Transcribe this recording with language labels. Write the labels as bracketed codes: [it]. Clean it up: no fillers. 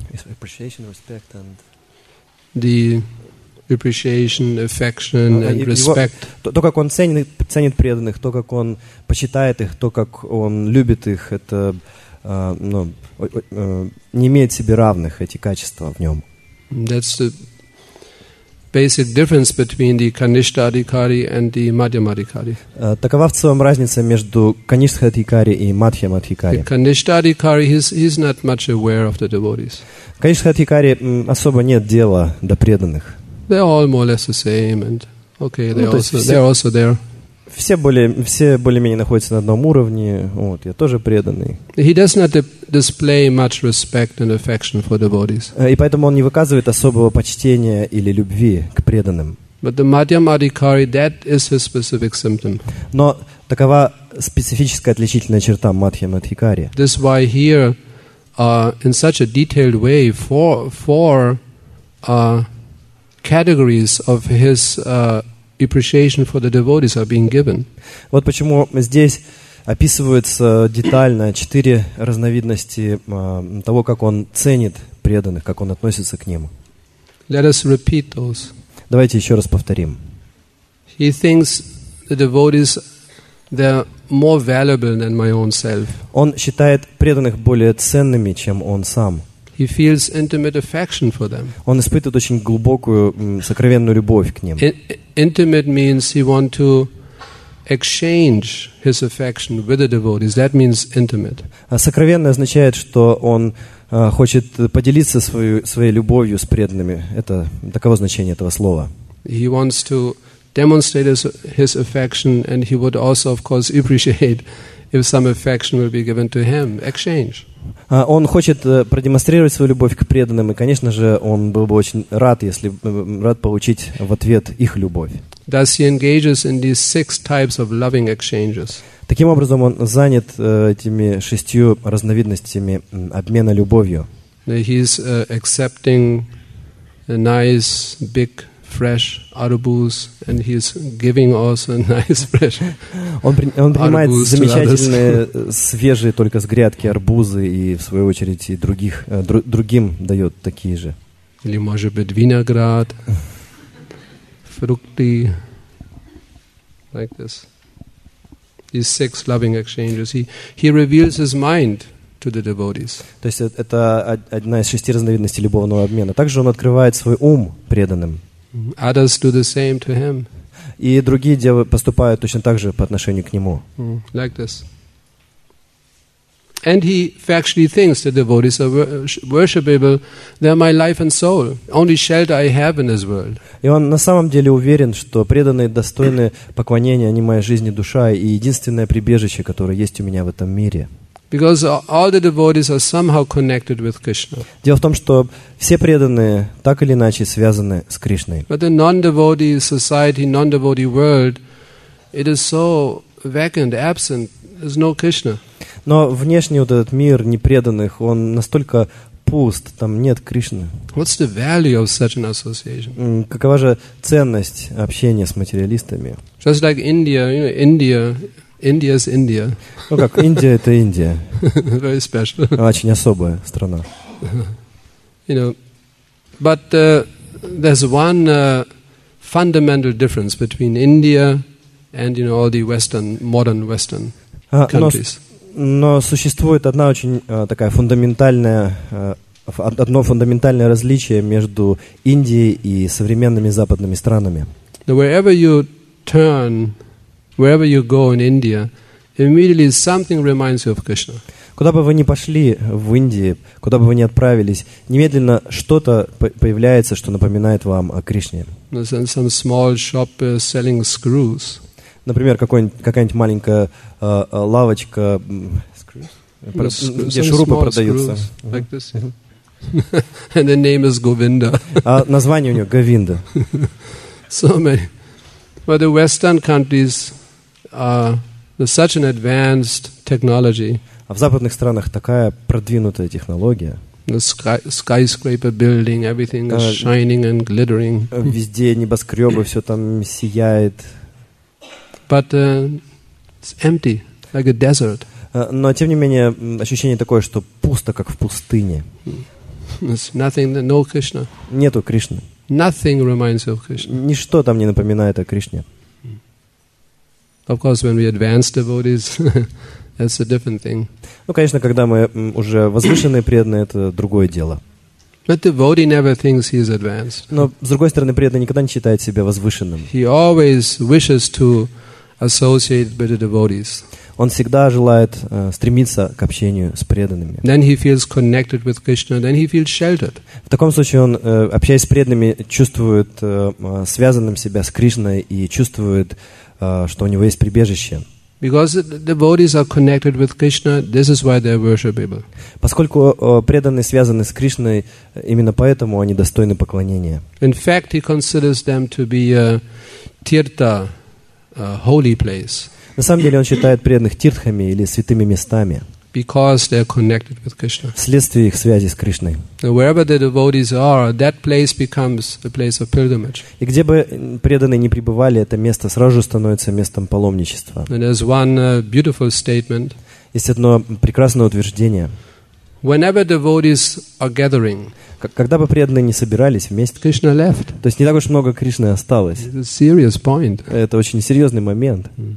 [en] appreciation, respect and the appreciation, affection and respect. [ru] То, как он ценит преданных, то, как он почитает их, то, как он любит их, это не имеет себе равных, эти качества в нем. [en] That's the basic difference between the Kanishtha Adhikari and the Madhyam Adhikari. [ru] Такова в целом разница между Kanishtha Adhikari и Madhyam Adhikari. [en] The Kanishtha Adhikari, he's not much aware of the devotees. [ru] Kanishtha Adhikari особо нет дела до преданных. [en] They're all more or less the same, and okay, they're also there. [ru] Все более-менее находятся на одном уровне. Вот, я тоже преданный. [en] He does not display much respect and affection for devotees. [ru] И поэтому он не выказывает особого почтения или любви к преданным. [en] But the Madhyam Adhikari, that is his specific symptom. [ru] Но такова специфическая отличительная черта Мадхьям Адхикари. [en] This is why here, in such a detailed way, four categories of his appreciation for the devotees are being given. [ru] Вот почему здесь описываются детально четыре разновидности того, как он ценит преданных, как он относится к ним. [en] Let us repeat those. [ru] Давайте еще раз повторим. [en] He thinks the devotees they're more valuable than my own self. [ru] Он считает преданных более ценными, чем он сам. [en] He feels intimate affection for them. [ru] Он испытывает очень глубокую, сокровенную любовь к ним. [en] Intimate means he want to exchange his affection with the devotees. That means intimate. [ru] Сокровенное означает, что он хочет поделиться своей любовью с преданными. Это таково значение этого слова. [en] He wants to demonstrate his affection, and he would also, of course, appreciate if some affection will be given to him. Exchange. [ru] Он хочет продемонстрировать свою любовь к преданным, и, конечно же, он был бы очень рад, если рад получить в ответ их любовь. [en] Thus he engages in these six types of loving exchanges. [ru] Таким образом, он занят этими шестью разновидностями обмена любовью. [en] He's accepting nice, big, fresh arubus, and he's giving also nice, fresh arubus. [ru] Он принимает замечательные, свежие только с грядки арбузы, и, в свою очередь, и другим дает такие же. Или, может быть, виноград, фрукты, [en] like this. These six loving exchanges. He reveals his mind to the devotees. [ru] То есть это одна из шести разновидностей любовного обмена. Также он открывает свой ум преданным. [en] Others do the same to him. [ru] И другие девы поступают точно так же по отношению к нему. [en] Like this. And he factually thinks that the devotees are worshipable. They are my life and soul. Only shelter I have in this world. [ru] И он на самом деле уверен, что преданные достойны поклонения, они моя жизнь и душа, и единственное прибежище, которое есть у меня в этом мире. [en] Because all the devotees are somehow connected with Krishna. [ru] Дело в том, что все преданные так или иначе связаны с Кришной. [en] But the non-devotee society, non-devotee world, it is so vacant, absent. There's no Krishna. [ru] Но внешний вот этот мир непреданных, он настолько пуст, там нет Кришны. [en] What's the value of such an association? [ru] Какова же ценность общения с материалистами? [en] Just like India, you know, India is India. [ru] Ну как, Индия — это Индия. [en] Very special. [ru] Очень особая страна. [en] You know, but there's one fundamental difference between India and, you know, all the Western, modern Western countries. [ru] Но существует одна очень такая фундаментальная, одно фундаментальное различие между Индией и современными западными странами. [en] Wherever you turn, wherever you go in India, immediately something reminds you of Krishna. [ru] Куда бы вы ни пошли в Индии, куда бы вы ни отправились, немедленно что-то появляется, что напоминает вам о Кришне. [en] Some small shop selling screws. [ru] Например, какая-нибудь маленькая лавочка, где шурупы продаются. [en] Like this. And the name is Govinda. [ru] А название у него Говинда. [en] So many. But the Western countries are such an advanced technology. [ru] А в западных странах такая продвинутая технология. [en] The skyscraper building, everything is shining and glittering. [ru] Везде небоскребы, все там сияет. [en] But it's empty, like a desert. [ru] Но тем не менее ощущение такое, что пусто, как в пустыне. [en] There's nothing, no Krishna. [ru] Нету Кришны. [en] Nothing reminds of Krishna. [ru] Ничто там не напоминает о Кришне. [en] Of course, when we advance devotees, that's a different thing. [ru] Ну, конечно, когда мы уже возвышенные преданные, это другое дело. [en] But the devotee never thinks he is advanced. [ru] Но с другой стороны, преданный никогда не считает себя возвышенным. [en] He always wishes to associate with the devotees. [ru] Он всегда желает стремиться к общению с преданными. [en] Then he feels connected with Krishna. Then he feels sheltered. [ru] В таком случае он, общаясь с преданными, чувствует связанным себя с Кришной и чувствует, что у него есть прибежище. [en] Because the devotees are connected with Krishna, this is why they are worshipable. [ru] Поскольку преданные связаны с Кришной, именно поэтому они достойны поклонения. [en] In fact, he considers them to be a tirtha, a holy place. [ru] На самом деле он считает преданных тиртхами или святыми местами. [en] Because they are connected with Krishna. [ru] Вследствие их связи с Кришной. [en] Wherever the devotees are, that place becomes a place of pilgrimage. [ru] И где бы преданные ни пребывали, это место сразу же становится местом паломничества. [en] And there's one beautiful statement. [ru] Есть одно прекрасное утверждение. [en] Whenever devotees are gathering, [ru] когда бы преданные ни собирались вместе, [en] Krishna left. [ru] То есть не так уж много Кришны осталось. [en] It's a serious point. [ru] Это очень серьезный момент.